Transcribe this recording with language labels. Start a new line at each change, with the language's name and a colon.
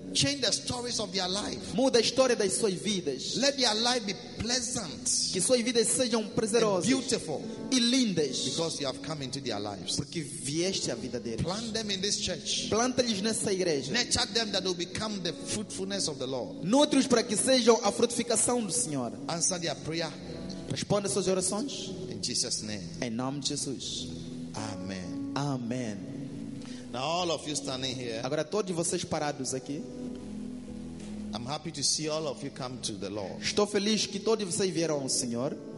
English: Change the stories of their life.
Portuguese: Muda a história das suas vidas.
English: Let their life be pleasant.
Portuguese: Que suas vidas sejam prazerosas.
English: Beautiful.
Portuguese: E lindas.
English: Because you have come into their lives.
Portuguese: Porque vieste à vida deles.
English: Plant them in this church.
Portuguese: Planta-lhes nessa igreja.
English: Nurture them that will become the fruitfulness of the Lord.
Portuguese: Nutre-os para que sejam a frutificação do Senhor.
English: Answer their prayer.
Portuguese: Responda suas orações.
English: In Jesus' name.
Portuguese: Em nome de Jesus.
English: Amen.
Portuguese: Amen.
English: Now all of you standing here.
Portuguese: Agora todos vocês parados aqui.
English: I'm happy to see all of you come to the Lord.
Portuguese: Estou feliz que todos vocês vieram ao Senhor.